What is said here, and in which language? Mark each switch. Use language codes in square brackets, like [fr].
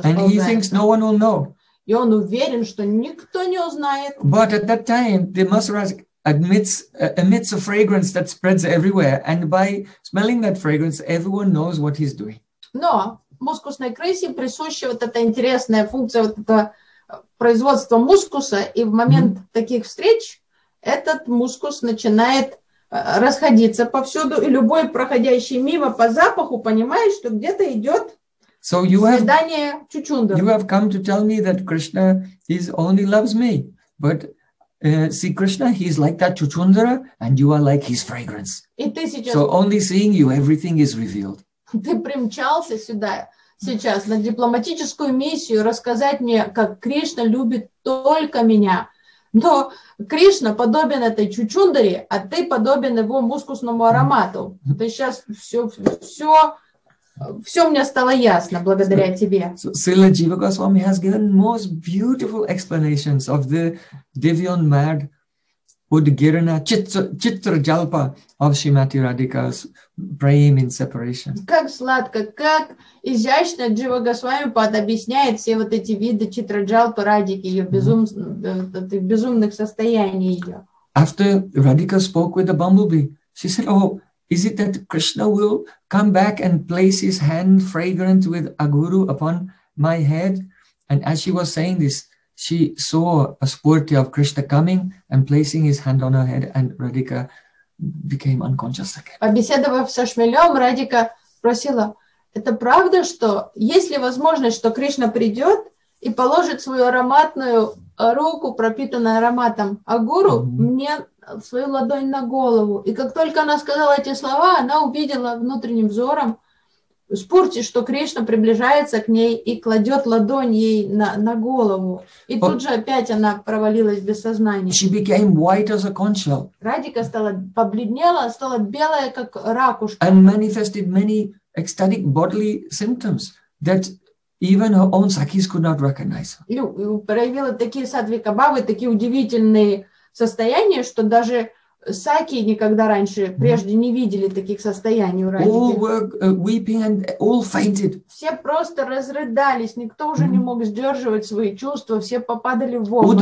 [en] And he thinks no one will know. [ru] И он уверен, что никто не узнает. [en] But at that time, the muskrat emits a fragrance that spreads everywhere, and by smelling that fragrance, everyone knows what he's doing. [ru] Но мускусной крысе присуща вот эта интересная функция, вот это производство мускуса, и в момент таких встреч этот мускус начинает расходиться повсюду, и любой проходящий мимо по запаху понимает, что где-то идет. [en] So you have come to tell me that Krishna is only loves me, but see Krishna, he's like that chuchundra, and you are like his fragrance. So only seeing you, everything is revealed. [ru] Ты примчался сюда сейчас на дипломатическую миссию рассказать мне, как Кришна любит только меня. Но Кришна подобен этой чучундре, а ты подобен его мускусному аромату. Ты сейчас все мне стало ясно благодаря тебе. [en] Srila Jiva Gosvami has given most beautiful explanations of the Divyon Mad Udgirana Chitra Jalpa of Shrimati Radhika's Prem in Separation. [ru] Как сладко, как изящно Джива Госвами подобъясняет все вот эти виды Читра Джалпа Радики, ее безумных состояний ее. [en] After Radhika spoke with the bumblebee, she said, oh, is it that Krishna will come back and place his hand fragrant with Aguru upon my head? And as she was saying this, she saw a spurti of Krishna coming and placing his hand on her head, and Radhika became unconscious again. [ru] Побеседовав со шмелем, Радика спросила, это правда, что есть ли возможность, что Кришна придет и положит свою ароматную руку, пропитанную ароматом агуру, мне свою ладонь на голову. И как только она сказала эти слова, она увидела внутренним взором спурти, что Кришна приближается к ней и кладет ладонь ей на голову. И тут же опять она провалилась без сознания. [en] She became white as a conch shell. [ru] Радика стала побледнела, стала белая, как ракушка. [en] And manifested many ecstatic bodily symptoms that even her own sakis could not recognize. [ru] И проявила такие садвика-бавы, такие удивительные состояния, что даже саки никогда раньше, прежде не видели таких состояний у Радики. [en] All were weeping and all fainted. [ru] Все просто разрыдались, никто уже не мог сдерживать свои чувства, все попадали в обморок.